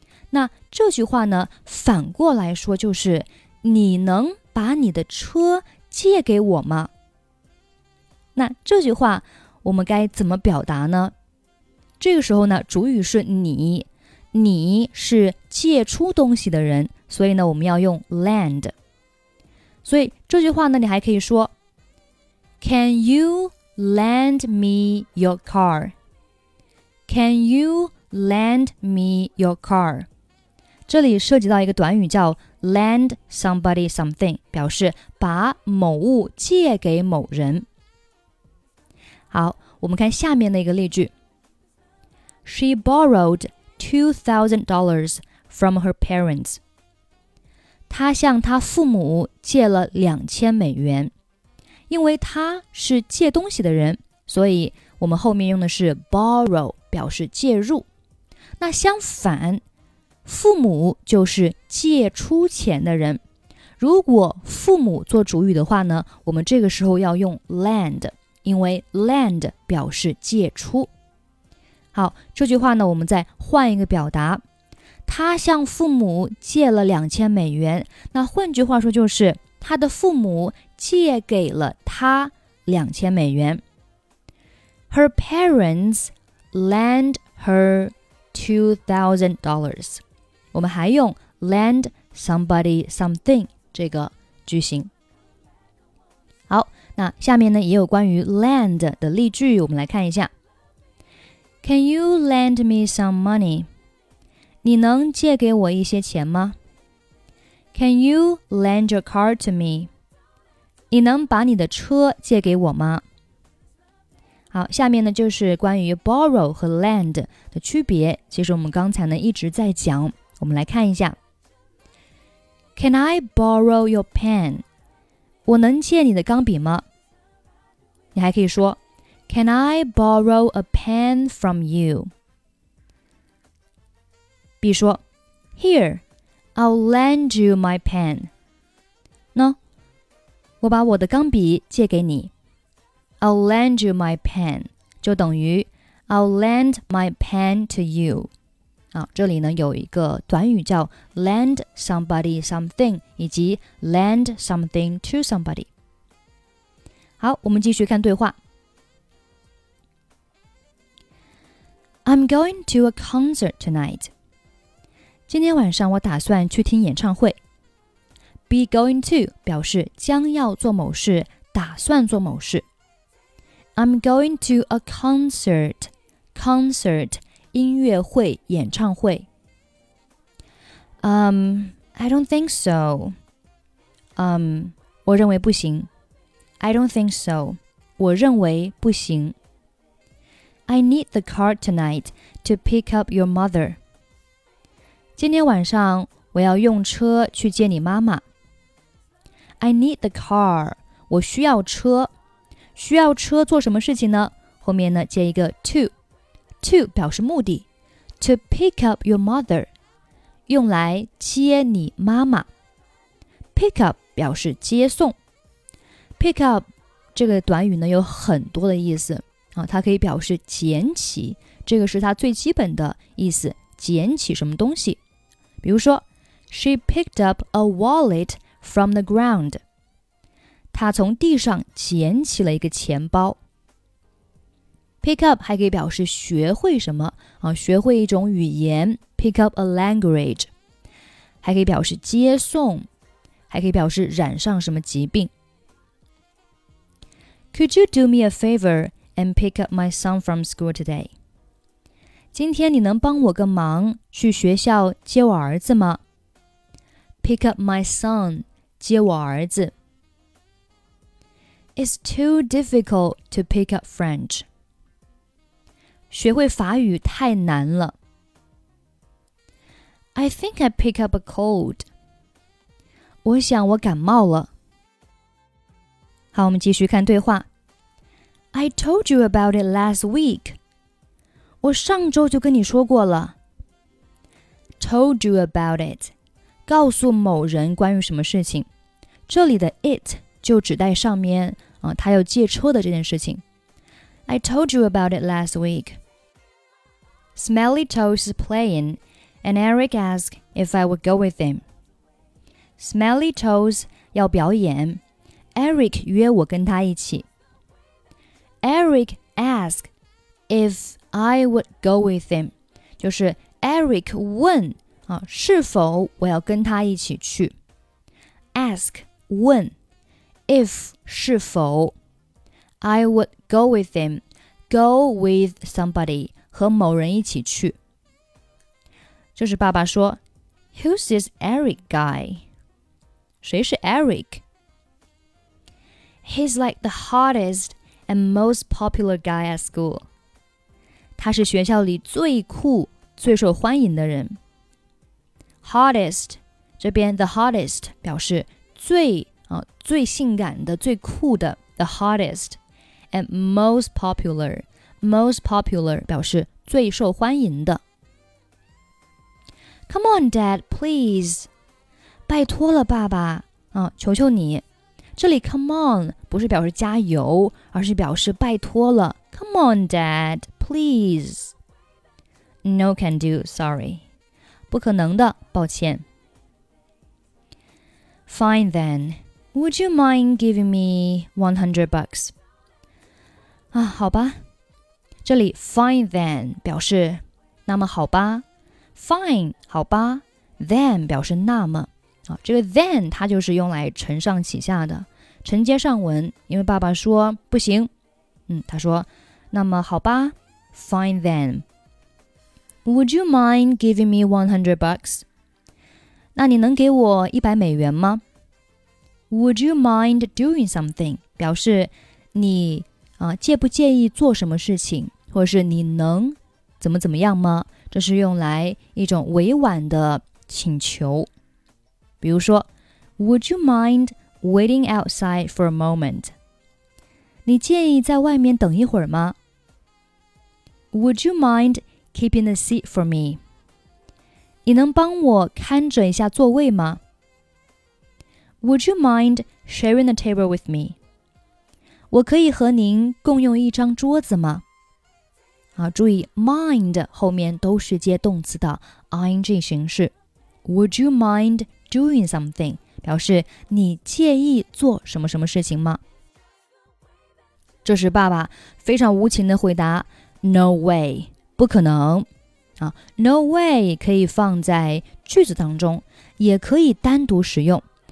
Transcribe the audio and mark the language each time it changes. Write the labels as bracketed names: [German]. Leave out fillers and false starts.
[Chinese] 那这句话呢反过来说就是，你能把你的车借给我吗？那这句话我们该怎么表达呢？这个时候呢主语是你，你是借出东西的人，所以呢我们要用 lend。所以这句话呢你还可以说 [English] Can you lend me your car? Can you lend me your car? [Chinese] 这里涉及到一个短语叫 lend somebody something， 表示把某物借给某人。好，我们看下面的一个例句。 [English] She borrowed $2,000 from her parents. [Chinese] 她向她父母借了$2,000。因为她是借东西的人，所以我们后面用的是 borrow， 表示借入。那相反，父母就是借出钱的人。如果父母做主语的话呢，我们这个时候要用 lend，因为 lend 表示借出。好，这句话呢我们再换一个表达，他向父母借了$2,000。那换句话说就是，他的父母借给了他$2,000。 [English] Her parents lend her $2,000。 [Chinese] 我们还用 lend somebody something 这个句型。好，那下面呢也有关于 lend 的例句，我们来看一下。 [English] Can you lend me some money? [Chinese] 你能借给我一些钱吗？ [English] Can you lend your car to me? [Chinese] 你能把你的车借给我吗？好，下面呢就是关于 borrow 和 lend 的区别，其实我们刚才呢一直在讲，我们来看一下。 [English] Can I borrow your pen? [Chinese] 我能借你的钢笔吗？你还可以说 [English] Can I borrow a pen from you? [Chinese] 比如说 [English] Here, I'll lend you my pen. [Chinese] 呢？我把我的钢笔借给你。 [English] I'll lend you my pen [Chinese] 就等于 [English] I'll lend my pen to you. [Chinese] 好，这里呢有一个短语叫 lend somebody something 以及 lend something to somebody。好，我们继续看对话。 [English] I'm going to a concert tonight. [Chinese] 今天晚上我打算去听演唱会。 [English] Be going to [Chinese] 表示将要做某事，打算做某事。 [English] I'm going to a concert. Concert [Chinese] 音乐会、演唱会。 [English] I don't think so. [Chinese] 我认为不行。 [English] I don't think so. [Chinese] 我认为不行。 [English] I need the car tonight to pick up your mother. [Chinese] 今天晚上我要用车去接你妈妈。 [English] I need the car. [Chinese] 我需要车。需要车做什么事情呢？后面呢接一个 to。 [English] To [Chinese] 表示目的， [English] To pick up your mother [Chinese] 用来接你妈妈。 Pick up 表示接送。Pick up 这个短语呢有很多的意思、它可以表示捡起，这个是它最基本的意思，捡起什么东西。比如说 [English] She picked up a wallet from the ground， [Chinese] 她从地上捡起了一个钱包。 Pick up 还可以表示学会什么、学会一种语言， [English] Pick up a language， [Chinese] 还可以表示接送，还可以表示染上什么疾病。 [English] Could you do me a favor and pick up my son from school today? [Chinese] 今天你能帮我个忙去学校接我儿子吗？ [English] Pick up my son， [Chinese] 接我儿子。 [English] It's too difficult to pick up French. [Chinese] 学会法语太难了。 [English] I think I pick up a cold. [Chinese] 我想我感冒了。好，我们继续看对话。 [English] I told you about it last week. [Chinese] 我上周就跟你说过了。 [English] Told you about it. [Chinese] 告诉某人关于什么事情。这里的 it 就指代上面、他要借车的这件事情。 [English] I told you about it last week. Smelly Toes is playing, and Eric asked if I would go with him. Smelly Toes [Chinese] 要表演 ,Eric 约我跟他一起。 [English] Eric asked if I would go with him, [Chinese] 就是 Eric 问、是否我要跟他一起去。 [English] Ask, [Chinese] 问 [English] if [Chinese] 是否 [English] I would go with him, go with somebody, [Chinese] 和某人一起去。就是爸爸说 [English] Who's this Eric guy? [Chinese] 谁是 Eric? [English] He's like the hottest and most popular guy at school. [Chinese] 他是学校里最酷、最受欢迎的人。 [English] Hottest, [Chinese] 这边 the hottest 表示最、最性感的、最酷的 the hottest. [English] And most popular, [Chinese] most popular 表示最受欢迎的。 [English] Come on, Dad, please. [Chinese] 拜托了，爸爸、求求你。这里 come on 不是表示加油，而是表示拜托了。 [English] Come on, Dad. Please. No can do, sorry. [Chinese] 不可能的，抱歉。 [English] Fine then. Would you mind giving me 100 bucks? [Chinese] 啊，好吧。这里 fine then 表示那么好吧。 Fine, 好吧。 Then 表示那么。这个 then 它就是用来承上启下的。承接上文，因为爸爸说不行。他说那么好吧。 [English] Fine then. Would you mind giving me 100 bucks? [Chinese] 那你能给我100美元吗? [English] Would you mind doing something? [Chinese] 表示你、介不介意做什么事情或是你能怎么怎么样吗? 这是用来一种委婉的请求。比如说 [English] Would you mind waiting outside for a moment? [Chinese] 你介意在外面等一会儿吗? [English] Would you mind keeping the seat for me? [Chinese] 你能帮我看着一下座位吗? [English] Would you mind sharing the table with me? [Chinese] 我可以和您共用一张桌子吗?注意 mind 后面都是接动词的 ing 形式。 [English] Would you mind doing something? [Chinese] 表示你介意做什么什么事情吗?这时爸爸非常无情的回答 [English] No way, [Chinese] 不可能。 No way 可以放在句子当中，也可以单独使用。